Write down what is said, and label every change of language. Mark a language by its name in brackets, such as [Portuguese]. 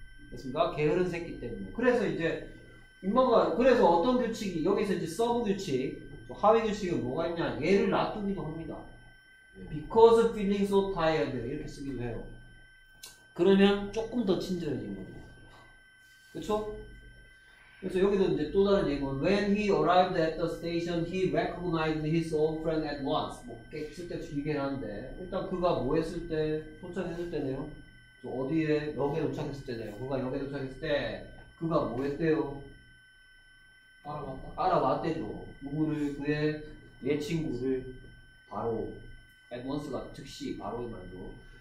[Korean] 됐습니까? 게으른 새끼 때문에. 그래서 이제 인마가 그래서 어떤 규칙이 여기서 이제 서브 규칙, 하위 규칙은 뭐가 있냐? 얘를 놔두기도 합니다. Because feeling so tired 이렇게 쓰기도 해요. 그러면 조금 더 친절해진 거죠. 그렇죠? 그래서 여기도 이제 또 다른 예문. [English] When he arrived at the station, he recognized his old friend at once. [Korean] 뭐 쓸데없이 얘기를 하는데 일단 그가 뭐 했을 때 도착했을 때네요. 어디에? 역에 도착했을 때네요. 그가 역에 도착했을 때 그가 뭐 했대요? 알아봤다. 알아봤대죠. 누구를? 그의 내 친구를 바로 at once가 즉시 바로 말이죠.